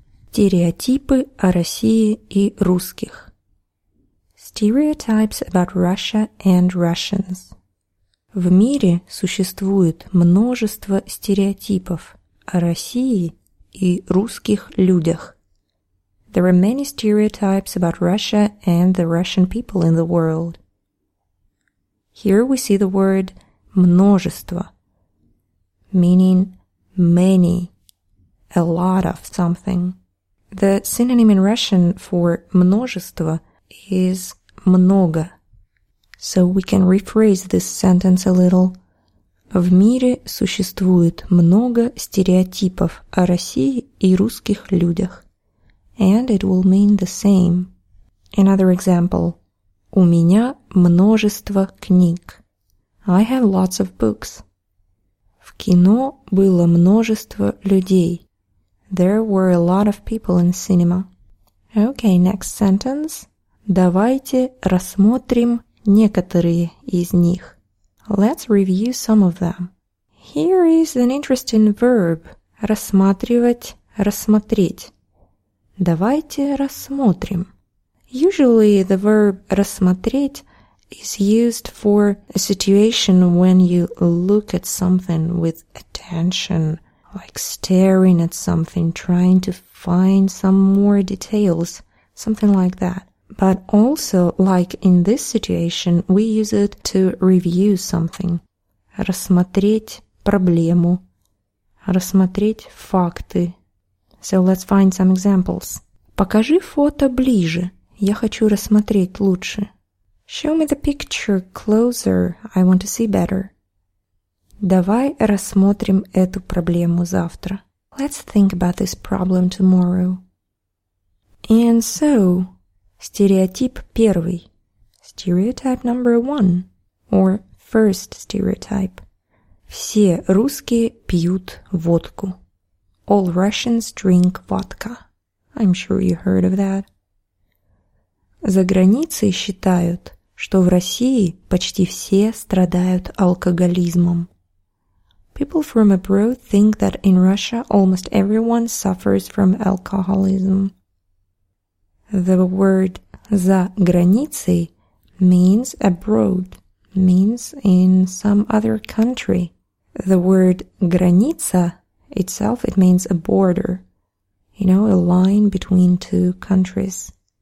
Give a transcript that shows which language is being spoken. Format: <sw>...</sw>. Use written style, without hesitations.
<ru>Стереотипы о России и русских.</ru> <en>Stereotypes about Russia and Russians.</en> <ru>В мире существует множество стереотипов о России и русских людях.</ru> <en>There are many stereotypes about Russia and the Russian people in the world. Here we see the word множество, meaning many, a lot of something. The synonym in Russian for множество is много. So we can rephrase this sentence a little.</en> <ru>В мире существует много стереотипов о России и русских людях.</ru> <en>And it will mean the same. Another example.</en> <ru>У меня множество книг.</ru> <en>I have lots of books.</en> <ru>В кино было множество людей.</ru> <en>There were a lot of people in cinema. Okay, next sentence.</en> <ru>Давайте рассмотрим некоторые из них.</ru> <en>Let's review some of them. Here is an interesting verb.</en> <ru>Рассматривать, рассмотреть. Давайте рассмотрим.</ru> <en>Usually the verb рассмотреть is used for a situation when you look at something with attention. Like staring at something, trying to find some more details, something like that. But also, like in this situation, we use it to review something.</en> <ru>Рассмотреть проблему. Рассмотреть факты.</ru> <en>So let's find some examples.</en> <ru>Покажи фото ближе. Я хочу рассмотреть лучше.</ru> <en>Show me the picture closer. I want to see better.</en> <ru>Давай рассмотрим эту проблему завтра.</ru> <en>Let's think about this problem tomorrow. And so,</en> <ru>Стереотип первый.</ru> <en>Stereotype number one. Or first stereotype.</en> <ru>Все русские пьют водку.</ru> <en>All Russians drink vodka. I'm sure you heard of that.</en> <ru>За границей считают, что в России почти все страдают алкоголизмом.</ru> <en>People from abroad think that in Russia almost everyone suffers from alcoholism. The word</en> <ru>«за границей»</ru> <en>means abroad, means in some other country. The word «граница» itself, it means a border, you know, a line between two countries.</en>